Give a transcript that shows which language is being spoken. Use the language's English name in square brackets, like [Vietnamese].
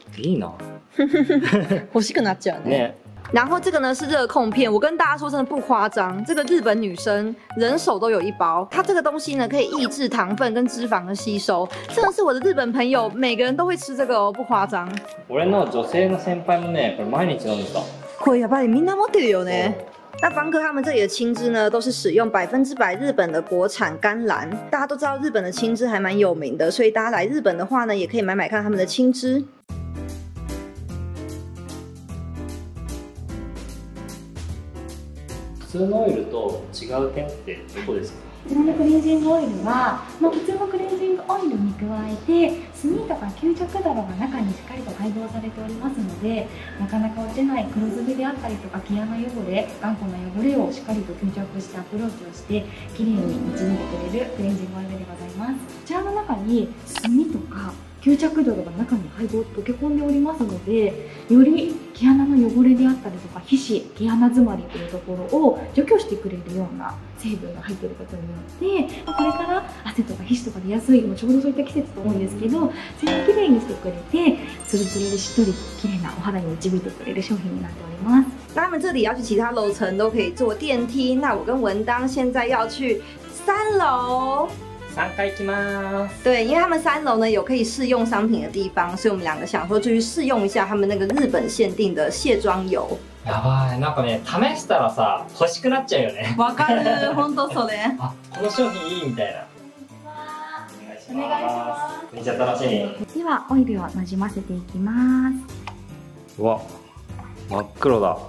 [Japanese] いいな。欲しくなっちゃうね。 [Chinese] 然后这个呢是热控片，我跟大家说真的不夸张，这个日本女生人手都有一包。它这个东西呢可以抑制糖分跟脂肪的吸收，真的是我的日本朋友每个人都会吃这个哦，不夸张。 [Japanese] 俺の女性の先輩もね、これ毎日飲んでた。これやっぱりみんな持ってるよね。 [Chinese] 那方哥他们这里的青汁呢，都是使用100%日本的国产甘蓝。大家都知道日本的青汁还蛮有名的，所以大家来日本的话呢，也可以买买看他们的青汁。 [Japanese] 普通のオイルと違う点ってどこですか？こちらのクレンジングオイルは、まあ、普通のクレンジングオイルに加えて炭とか吸着泥が中にしっかりと配合されておりますので、なかなか落ちない黒ずみであったりとか毛穴汚れ、頑固な汚れをしっかりと吸着してアプローチをして綺麗に落ち抜いてくれるクレンジングオイルでございます。こちらの中に炭とか吸着泥が中に配合溶け込んでおりますので、より毛穴の汚れであったりとか皮脂、毛穴詰まりというところを除去してくれるような成分が入っていることによって、これから汗とか皮脂とか出やすい、もうちょうどそういった季節と思うんですけど、全部きれいにしてくれて、ツルツルでしっとりきれいなお肌に導いてくれる商品になっております。 [Chinese] 他们这里要去其他楼层都可以坐电梯，那我跟文当现在要去三楼。 [Japanese] 三階行きます。 [Chinese] 对，因为他们三楼呢有可以试用商品的地方，所以我们两个想说就去试用一下他们那个日本限定的卸妆油。 [Japanese] やばい、なんかね、試したらさ欲しくなっちゃうよね。わかる、本当それ。あ、この商品いいみたいな。お願いします。めっちゃ楽しみ。ではオイルをなじませていきます。うわ、真っ黒だ。